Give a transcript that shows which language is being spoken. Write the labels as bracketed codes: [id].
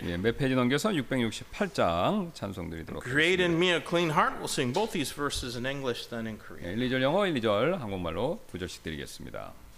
[ko] 예, 몇 페이지 넘겨서 668장 찬송 드리도록 [en] Great in me a clean heart. We'll sing both these verses in English, then in Korean. [ko] 예, 1절 영어, 2절 한국말로 두 절씩 드리겠습니다.